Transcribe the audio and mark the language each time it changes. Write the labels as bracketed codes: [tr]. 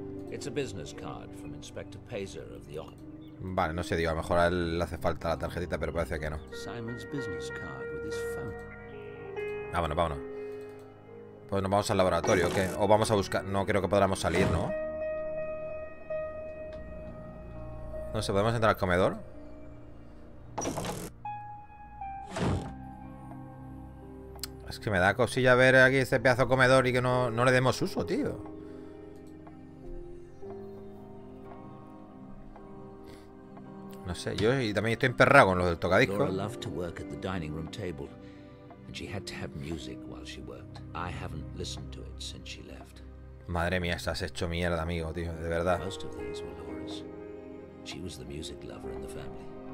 [en] It's a business card from Inspector Pazer of the Occ. [es] Vale, no sé, digo, a lo mejor a él le hace falta la tarjetita, pero parece que no. Simon's business card with his phone. Vámonos, vámonos. Pues nos vamos al laboratorio, ¿ok? O vamos a buscar. No creo que podamos salir, ¿no? No sé, ¿podemos entrar al comedor? Es que me da cosilla ver aquí este pedazo de comedor y que no le demos uso, tío. No sé, yo y también estoy emperrado con los del tocadisco. [en] Laura loved to work at the dining room table, and she had to have music while she worked. I haven't listened to it since she left. [es] Madre mía, estás hecho mierda, amigo, tío, de verdad. [en] Most of these were Laura's. She was the music lover in the family.